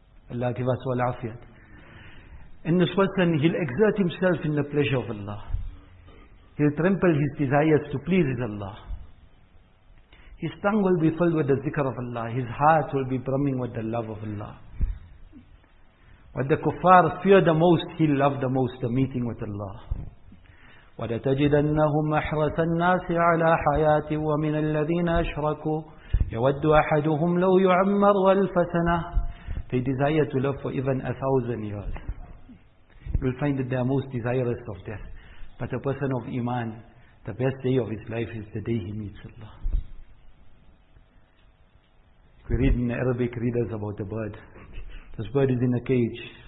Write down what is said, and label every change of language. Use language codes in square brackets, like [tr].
[en] Allah give us all afiyat. In this person, he'll exert himself in the pleasure of Allah. He'll trample his desires to please his Allah. His tongue will be filled with the zikr of Allah. His heart will be brimming with the love of Allah. What the kuffar fear the most, he'll love the most, the meeting with Allah. [ar] وَلَتَجِدَنَّهُمْ أَحْرَسَ النَّاسِ عَلَىٰ حَيَاتِ وَمِنَ الَّذِينَ أَشْرَكُوا يَوَدُّ أَحَدُهُمْ لَوْ يُعَمَّرُ وَالْفَسَنَةِ [en] They desire to live for even 1,000 years. You'll find that they are most desirous of death. But a person of Iman, The best day of his life is the day he meets Allah. If we read in Arabic readers about the bird. This bird is in a cage.